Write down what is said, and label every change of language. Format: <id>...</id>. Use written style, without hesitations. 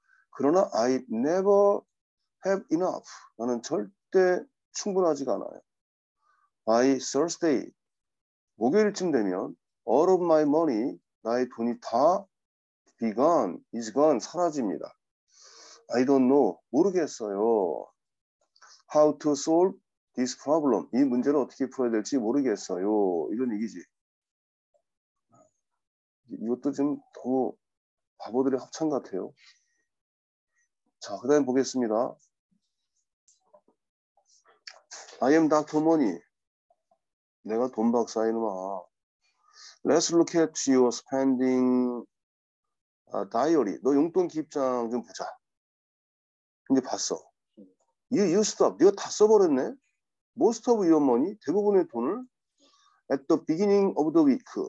<ko>그러나</ko> <en>I never have enough.</en> <ko>나는 절대 충분하지가 않아요.</ko> <en>By Thursday,</en> <ko>목요일쯤 되면</ko> <en>all of my money,</en> <ko>나의 돈이 다</ko> <en>Be gone, is gone,</en> <ko>사라집니다.</ko> <en>I don't know,</en> <ko>모르겠어요.</ko> <en>How to solve this problem?</en> <ko>이 문제를 어떻게 풀어야 될지 모르겠어요. 이런 얘기지. 이것도 지금 너무 바보들의 합창 같아요. 자, 그 다음에 보겠습니다.</ko> <en>I am Dr. Money.</en> <ko>내가 돈 박사이노마.</ko> <en>Let's look at your spending diary.</en> <ko>너 용돈 기입장 좀 보자. 이제 봤어.</ko> <en>You used up.</en> <ko>네가 다 써버렸네.</ko> <en>Most of your money.</en> <ko>대부분의 돈을.</ko> <en>At the beginning of the week.</en>